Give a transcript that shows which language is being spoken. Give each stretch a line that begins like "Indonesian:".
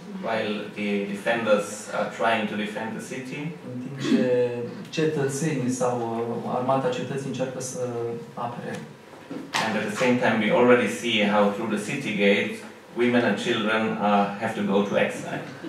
English: While the defenders are trying to defend the city.
Romanian: În timp ce cetățenii sau armata cetății încearcă să apere.
English: And at the same time we already see how through the city gate women and children have to go to exile.